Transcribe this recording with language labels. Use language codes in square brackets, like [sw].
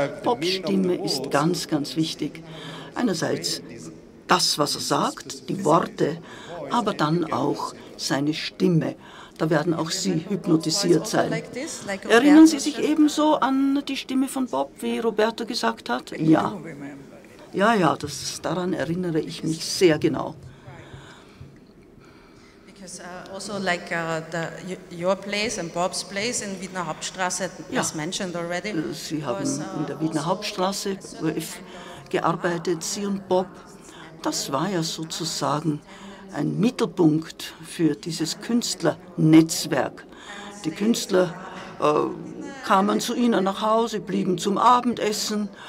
[de] Bobs Stimme ist ganz, ganz wichtig. Einerseits das, was er sagt, die Worte, aber dann auch seine Stimme. Da werden auch Sie hypnotisiert sein. Erinnern Sie sich ebenso an die Stimme von Bob, wie Roberto gesagt hat? Ja. Ja, das, daran erinnere ich mich sehr genau. [en] Also like your place and Bob's place in Wiedner Hauptstraße, as mentioned already. [de] Sie haben in der Wiedner Hauptstraße gearbeitet, Sie und Bob. Das war ja sozusagen ein Mittelpunkt für dieses Künstlernetzwerk. Die Künstler kamen zu Ihnen nach Hause, blieben zum Abendessen.